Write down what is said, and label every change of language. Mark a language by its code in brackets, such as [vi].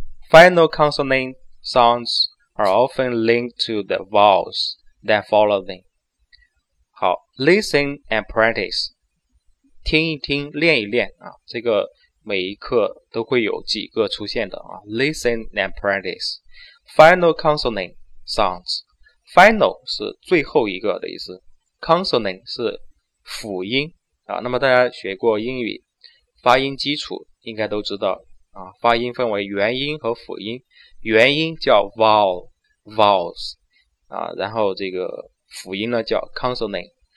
[en] Final consonant sounds are often linked to the vowels that follow them. [zh] 好， [en] listen and practice. [zh] 听一听，练一练啊，这个每一课都会有几个出现的啊。 [en] Listen and practice. Final consonant sounds. [zh] Final 是最后一个的意思， consonant 是辅音啊。那么大家学过英语发音基础应该都知道啊，发音分为元音和辅音，元音叫 vowels 啊，然后这个辅音呢叫 consonant。